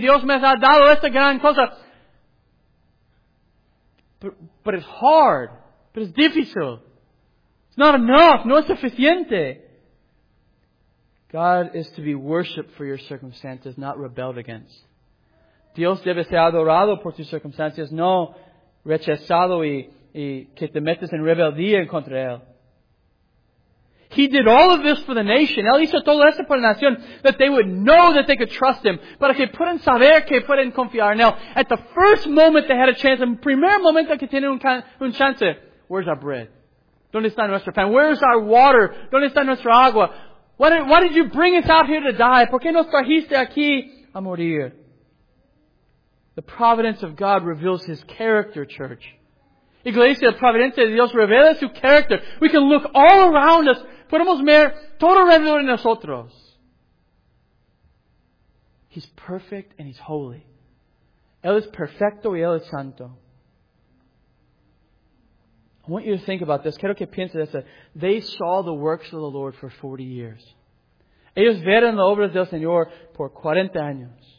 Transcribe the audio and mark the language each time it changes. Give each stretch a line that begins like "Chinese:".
Spanish: Dios me ha dado esta gran cosa.
English: But it's hard. But it's difícil. It's not enough.
Spanish: No es suficiente.
English: God is to be worshipped for your circumstances, not rebelled against.
Spanish: Dios debe ser adorado por tus circunstancias, no rechazado y que te metes en rebeldía en contra de Él.
English: He did all of this for the nation.
Spanish: Él hizo todo esto por la nación,
English: that they would know that they could trust Him.
Spanish: Para que puedan saber que pueden confiar en Él.
English: At the first moment they had a chance,
Spanish: en primer momento que tienen un chance,
English: where's our bread?
Spanish: ¿Dónde está nuestro pan?
English: Where's our water?
Spanish: ¿Dónde está nuestra agua?
English: Why did you bring us out here to die?
Spanish: ¿Por qué nos trajiste aquí a morir?
English: The providence of God reveals His character, church.
Spanish: Iglesia, la providencia de Dios revela su carácter.
English: We can look all around us.
Spanish: Podemos ver todo alrededor de nosotros.
English: He's perfect and He's holy.
Spanish: Él es perfecto y Él es santo.
English: I want you to think about this.
Spanish: Quiero que pienses esto.
English: They saw the works of the Lord for 40 years.
Spanish: Ellos vieron la obra del Señor por 40 años.